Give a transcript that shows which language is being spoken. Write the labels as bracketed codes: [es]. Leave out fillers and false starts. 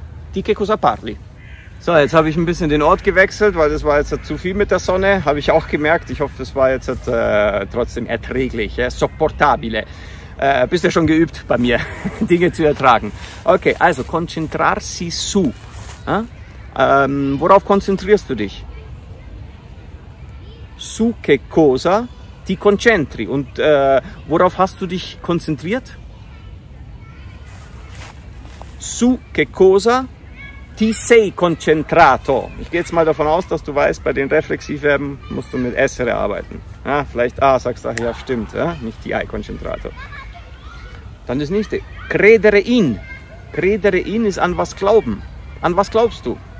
[it] Di che cosa parli? [de] So, jetzt habe ich ein bisschen den Ort gewechselt, weil das war jetzt zu viel mit der Sonne. Habe ich auch gemerkt. Ich hoffe, das war jetzt trotzdem erträglich. Ja? Sopportabile. Bist ja schon geübt bei mir, Dinge zu ertragen. Okay, also [it] concentrarsi su. [de] Ja? Worauf konzentrierst du dich? [it] Su che cosa ti concentri? [de] Und worauf hast du dich konzentriert? [it] Su che cosa ti sei concentrato? [de] Ich gehe jetzt mal davon aus, dass du weißt, bei den Reflexivverben musst du mit essere arbeiten. Ja, vielleicht A, sagst du, ja stimmt, ja? [it] Nicht die I concentrato. [de] Dann das nächste. [it] Credere in. Credere in [de] ist an was glauben. An was glaubst du?